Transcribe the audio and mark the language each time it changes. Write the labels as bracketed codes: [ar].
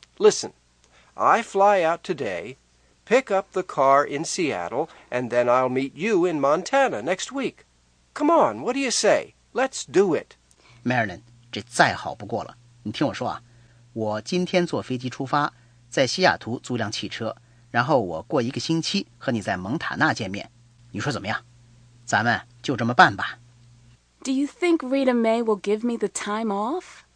[en] Listen, I fly out today, pick up the car in Seattle, and then I'll meet you in Montana next week. Come on, what do you say? Let's do it. [zh] Marilyn, 这再好不过了。你听我说啊，我今天坐飞机出发，在西雅图租辆汽车，然后我过一个星期和你在蒙塔纳见面。你说怎么样？咱们就这么办吧。 [en] Do you think Rita May will give me the time off?